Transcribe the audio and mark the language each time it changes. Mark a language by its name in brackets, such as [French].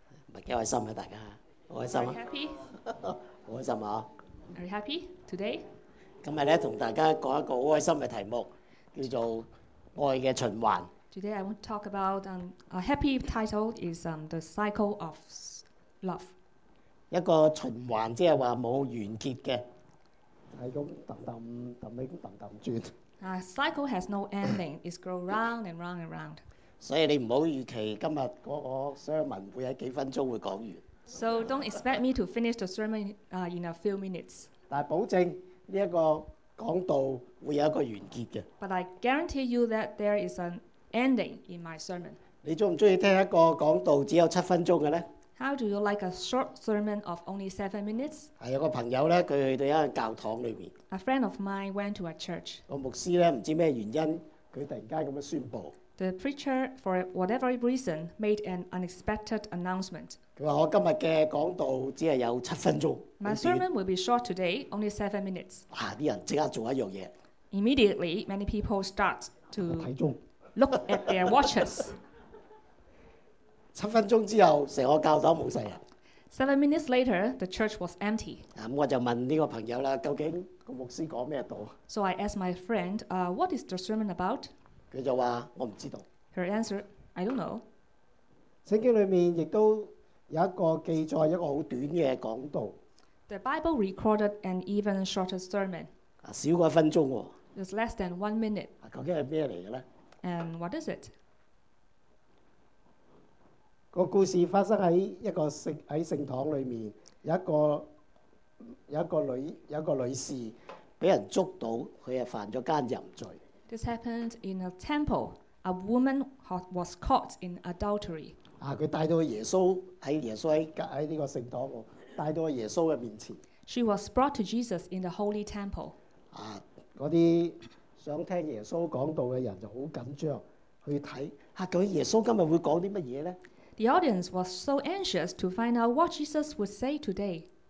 [Cantonese] 不是挺開心的，大家很開心啊。 [English] Are you happy? [Cantonese] 很開心啊。 [English] Are you happy today? [Cantonese] 今天呢，跟大家講一個很開心的題目，叫做愛的循環。 [English] Today I want to talk about a happy title is The Cycle of Love. [Cantonese] 一個循環，即是說沒有完結的，是一種噔噔噔噔噔轉。 [English] A cycle has no ending, it grows round and round and round. [Cantonese] 所以你不要預期今天那個 sermon 會在幾分鐘會講完。 [English] So don't expect me to finish the sermon in a few minutes. [Cantonese] 但保證這個講道會有一個完結的。 [English] But I guarantee you that there is an ending in my sermon. [Cantonese] 你喜歡聽一個講道只有七分鐘的呢？ [English] How do you like a short sermon of only 7 minutes? [Cantonese] 是有個朋友呢，他去到一間教堂裡面。 [English] A friend of mine went to a church. [Cantonese] 個牧師呢，不知道什麼原因，他突然間這樣宣布。 [English] The preacher, for whatever reason, made an unexpected announcement. [Cantonese] 他說我今天的講道只有七分鐘。 [English] My sermon will be short today, only 7 minutes. [Cantonese] 啊，那些人立刻做一件事。 [English] Immediately, many people start to look at their watches. [Cantonese] 七分鐘之後，整個教堂沒人。 [English] 7 minutes later, the church was empty. [Cantonese] 我就問這個朋友，究竟個牧師講什麼道？ [English] So I asked my friend, what is the sermon about? [Cantonese] 他就說我不知道。 [English] Her answer, I don't know. [Cantonese] 聖經裡面也有一個記載，一個很短的講道。 [English] The Bible recorded an even shorter sermon. [Cantonese] 少過一分鐘喎。 [English] It's less than 1 minute. [Cantonese] 究竟是什麼來的呢？ [English] And what is it? [Cantonese] 個故事發生在一個聖堂裡面，有一個女士被人捉到，她是犯了奸淫罪。 [English] This happened in a temple. A woman was caught in adultery. [Cantonese] 她帶到耶穌，在耶穌在這個聖堂，帶到耶穌的面前。 [English] She was brought to Jesus in the holy temple. [Cantonese] 那些想聽耶穌講道的人就很緊張，去看，究竟耶穌今天會講些什麼呢？ [English] The audience was so anxious to find out what Jesus would say today.